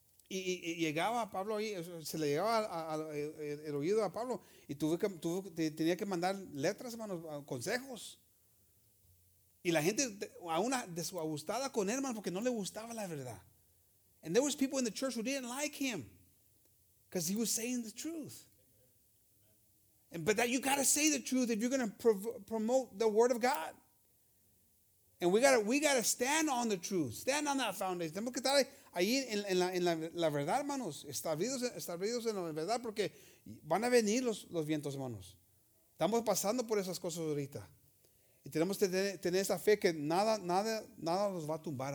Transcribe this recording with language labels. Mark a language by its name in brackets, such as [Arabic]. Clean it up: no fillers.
[Spanish] Y llegaba Pablo ahí, se le llegaba el oído a Pablo. Y tenía que mandar letras, hermanos, consejos. Y la gente, a una desagustada con él, hermanos, porque no le gustaba la verdad. [English] And there was people in the church who didn't like him because he was saying the truth. But that you got to say the truth if you're going to promote the word of God. And we got to stand on the truth. Stand on that foundation. [Spanish] Tenemos que estar ahí en la verdad, hermanos. Establecidos en la verdad porque van a venir los vientos, hermanos. Estamos pasando por esas cosas ahorita. Y tenemos que tener esa fe que nada nos va a tumbar.